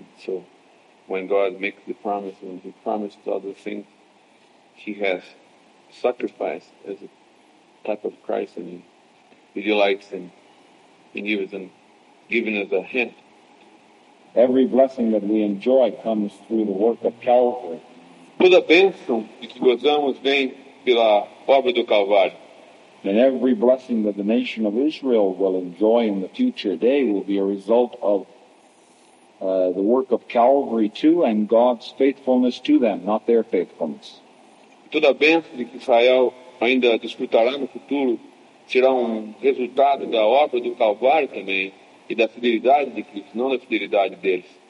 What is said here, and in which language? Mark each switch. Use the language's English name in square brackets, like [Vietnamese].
[English] So when God makes the promise, when He promised other things, He has sacrificed as a type of Christ, and He delights in giving us a hint. Every blessing that we enjoy comes through the work of Calvary. [Portuguese] Toda bênção que gozamos vem pela obra do Calvário. [English] And every blessing that the nation of Israel will enjoy in the future day will be a result of the work of Calvary too, and God's faithfulness to them, not their faithfulness. [Portuguese] Toda bênção de que Israel ainda desfrutará no futuro será resultado da obra do Calvário também, e da fidelidade de Cristo, não da fidelidade deles.